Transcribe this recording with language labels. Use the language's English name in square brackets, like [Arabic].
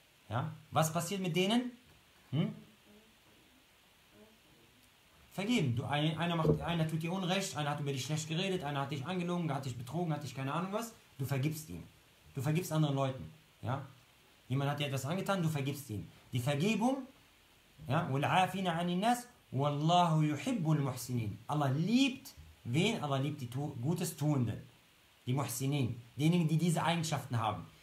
[German] Ja, was passiert mit denen? Vergeben. Einer tut dir Unrecht, einer hat über dich schlecht geredet, einer hat dich angelogen, hat dich betrogen, hat dich keine Ahnung was. Du vergibst ihm. Du vergibst anderen Leuten. Ja? Jemand hat dir etwas angetan, du vergibst ihm. Die Vergebung, ja, [Arabic] وَالْعَافِينَ عَنِ النَّاسِ وَاللَّهُ يُحِبُّ الْمُحْسِنِينَ. [German] Allah liebt wen? Allah liebt die Gutestuenden. Die Muhsinin. Diejenigen, die diese Eigenschaften haben.